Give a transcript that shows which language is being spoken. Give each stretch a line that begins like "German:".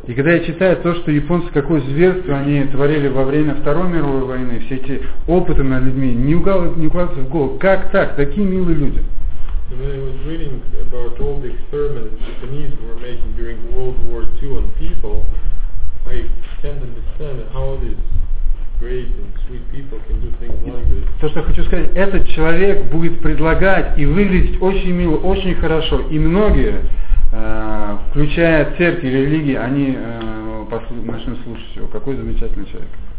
Russian: И когда я читаю то, что японцы какое зверство они творили во время Второй мировой войны, все эти опыты над людьми, не укладывается в голову. Как так? Такие милые люди.
English: And when I was reading about all the experiments the Japanese were making during World War II on people, I can't understand how these great and sweet people can do things like this.
Russian: То, что я хочу сказать, этот человек будет предлагать и выглядеть очень мило, очень хорошо, и многие, включая церкви, религии, они начнут слушать его. Какой замечательный человек.